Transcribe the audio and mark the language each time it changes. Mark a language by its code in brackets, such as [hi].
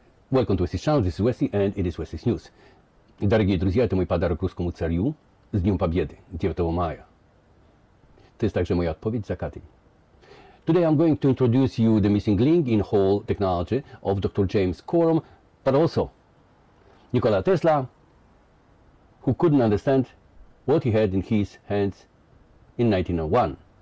[en] Welcome to Wessy's channel, this is Wessy and it is Wessy's News. [ru] Дорогие друзья, это мой подарок русскому царю с Днем Победы, 9 мая. То есть также моя отповедь за Катин. [en] Today I'm going to introduce you the missing link in whole technology of Dr. James Quorum, but also Nikola Tesla, who couldn't understand what he had in his hands in 1901.